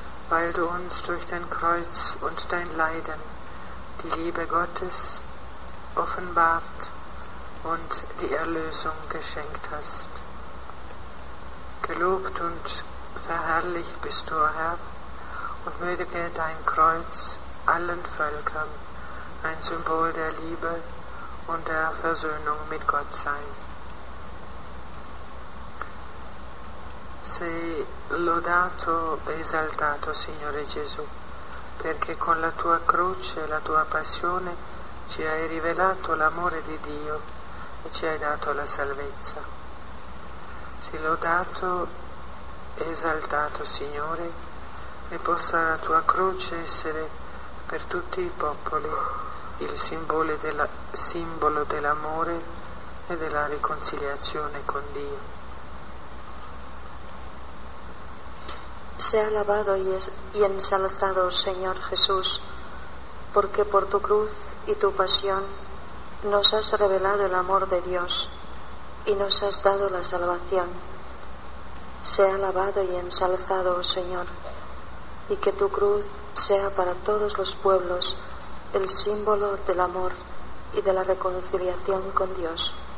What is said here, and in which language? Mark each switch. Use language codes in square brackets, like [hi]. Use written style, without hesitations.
[de] weil du uns durch dein Kreuz und dein Leiden die Liebe Gottes offenbart und die Erlösung geschenkt hast. Gelobt und verherrlicht bist du, Herr, und möge dein Kreuz allen Völkern ein Symbol der Liebe und der Versöhnung mit Gott sein. [it] Sei lodato e esaltato, Signore Gesù, perché con la tua croce e la tua passione ci hai rivelato l'amore di Dio e ci hai dato la salvezza. Sei lodato e esaltato, Signore, e possa la tua croce essere per tutti i popoli il simbolo dell'amore e della riconciliazione con Dio. [es] Sea alabado y ensalzado, Señor Jesús, porque por tu cruz y tu pasión nos has revelado el amor de Dios y nos has dado la salvación. Sea alabado y ensalzado, Señor, y que tu cruz sea para todos los pueblos el símbolo del amor y de la reconciliación con Dios.